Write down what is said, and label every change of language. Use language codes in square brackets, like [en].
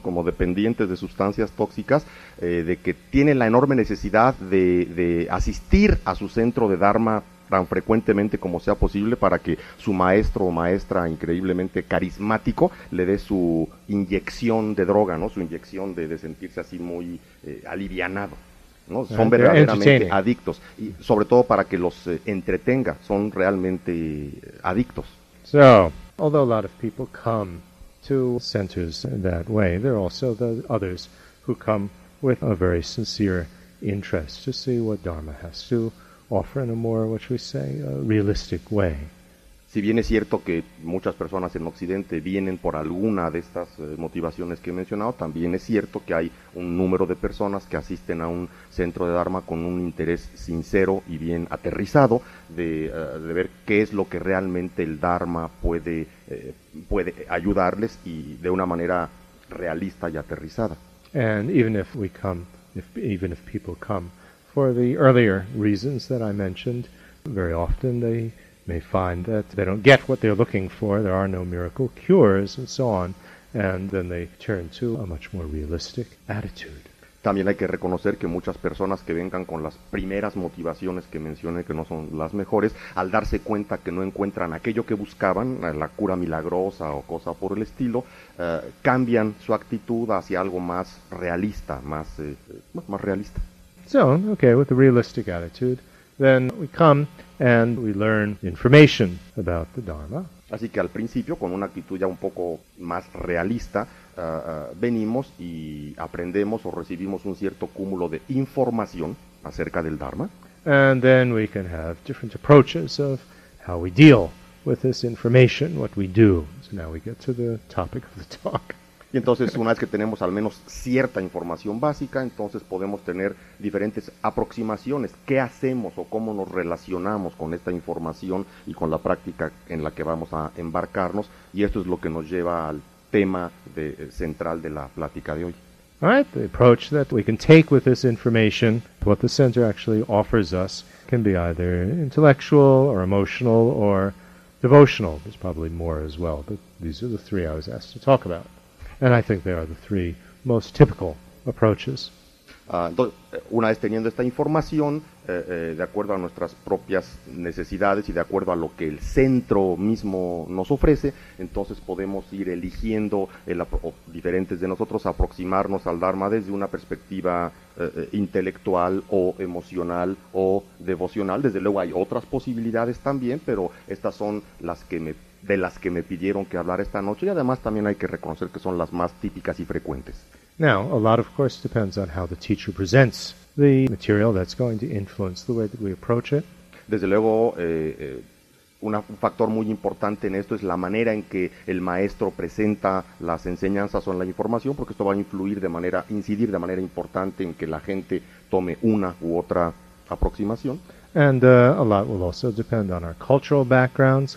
[es] Como dependientes de sustancias tóxicas, de que tienen la enorme necesidad de asistir a su centro de Dharma tan frecuentemente como sea posible para que su maestro o maestra increíblemente carismático le dé su inyección de droga, ¿no? Su inyección de sentirse así muy alivianado, ¿no? Son verdaderamente adictos, y sobre todo para que los entretenga, son realmente adictos. [en] So, although a lot of people come to centers that way, there are also the others who come with a very sincere interest to see what Dharma has to offer in a more, what should we say, a realistic way. [es] Si bien es cierto que muchas personas en Occidente vienen por alguna de estas motivaciones que he mencionado, también es cierto que hay un número de personas que asisten a un centro de Dharma con un interés sincero y bien aterrizado de ver qué es lo que realmente el Dharma puede ayudarles y de una manera realista y aterrizada. [en] And even if we come, even if people come for the earlier reasons that I mentioned, very often they may find that they don't get what they're looking for, there are no miracle cures, and so on, and then they turn to a much more realistic attitude. [es] También hay que reconocer que muchas personas que vengan con las primeras motivaciones que mencioné, que no son las mejores, al darse cuenta que no encuentran aquello que buscaban, la cura milagrosa o cosa por el estilo, cambian su actitud hacia algo más realista, más realista. [en] So, okay, with a realistic attitude, then we come and we learn information about the Dharma. Así que al principio, con una actitud ya un poco más realista, venimos y aprendemos o recibimos un cierto cúmulo de información acerca del Dharma. And then we can have different approaches of how we deal with this information, what we do. So now we get to the topic of the talk. [es] Y entonces, una vez que tenemos al menos cierta información básica, entonces podemos tener diferentes aproximaciones. ¿Qué hacemos o cómo nos relacionamos con esta información y con la práctica en la que vamos a embarcarnos? Y esto es lo que nos lleva al tema central de la plática de hoy. [en] All right, the approach that we can take with this information, what the center actually offers us, can be either intellectual or emotional or devotional. There's probably more as well, but these are the three I was asked to talk about. And I think they are the three most typical approaches. [es] Una vez teniendo esta información, de acuerdo a nuestras propias necesidades y de acuerdo a lo que el centro mismo nos ofrece, entonces podemos ir eligiendo, diferentes de nosotros, aproximarnos al Dharma desde una perspectiva intelectual o emocional o devocional. Desde luego hay otras posibilidades también, pero estas son las que me pidieron que hablar esta noche, y además también hay que reconocer que son las más típicas y frecuentes. [en] Now, a lot of course depends on how the teacher presents the material that's going to influence the way that we approach it. [es] Desde luego, un factor muy importante en esto es la manera en que el maestro presenta las enseñanzas o la información, porque esto va a incidir de manera importante en que la gente tome una u otra aproximación. [en] And a lot will also depend on our cultural background.